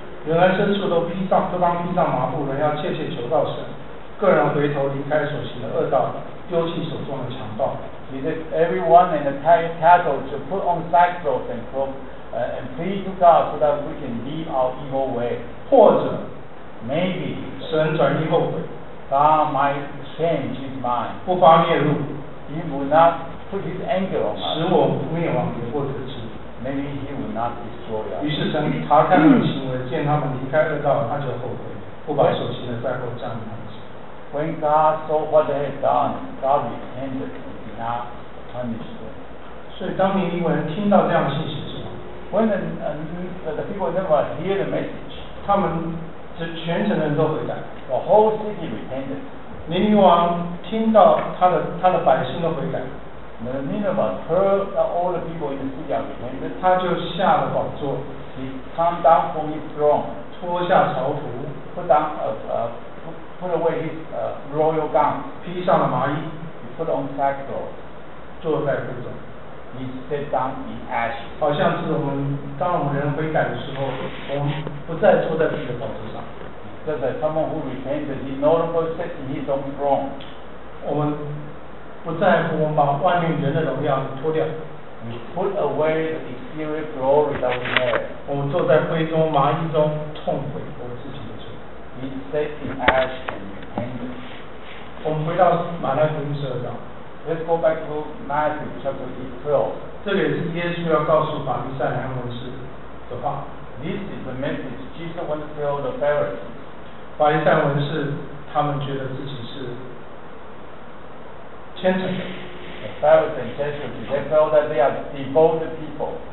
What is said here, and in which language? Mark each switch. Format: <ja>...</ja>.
<zh>原来牲畜都当披上麻布，人要切切求告神，个人回头离开所行的恶道，丢弃手中的强暴。</zh> <en>He said, everyone and the cattle should put on sackcloth and clothes, and pray to God so that we can leave our evil way.</en> <zh>或者</zh> <en>maybe,</en> <zh>神转意后悔，</zh> <en>God might change his mind.</en> <zh>不发烈怒，</zh> <en>he will not put his anger on us.</en> <zh>使我灭亡也不得知，</zh> <en>maybe he will not destroy us.</en> <zh>于是神查看他们行为，见他们离开恶道，他就后悔，不把所行的灾祸降临他们。</zh> <en>When God saw what they had done, God repented and did not punish them.</en> <zh>所以当尼尼微人听到这样的信息之后，</zh> <en>When the people never hear the message,</en> <zh>他们全城人都悔改。</zh> <en>The whole city repented.</en> <zh>尼尼王听到他的百姓都悔改。</zh> <en>The Nineveh heard all the people in the city are repented.</en> <zh>他就下了宝座。</zh> <en>He came down from his throne.</en> <zh>脱下朝服。</zh> <en>Put down put away his royal gown,</en> <zh>披上了麻衣，</zh> <en>he put on sackcloth,</en> <zh>坐在会中，</zh> <en>he sat down in ashes.</en> <zh>好像是当我们人悔改的时候，我们不再坐在自己的宝座上。</zh> <en>Just like someone who repented, he no longer sits in his own throne.</en> <zh>我们不在乎，我们把外面人的荣耀脱掉。</zh> <en>We put away the exterior glory that we had.</en> <zh>我们坐在灰中麻衣中痛悔。</zh> <en>He sat in ash and repented.</en> <zh>我们回到马太福音十二章。</zh> <en>Let's go back to Matthew chapter 12.</en> <zh>这里是耶稣要告诉法利赛人和文士的话。</zh> <en>This is the message Jesus wants to tell the Pharisees.</en> <zh>法利赛文士他们觉得自己是虔诚的。</zh> <en>The Pharisees and Jesuits, they felt that they are devoted people.</en>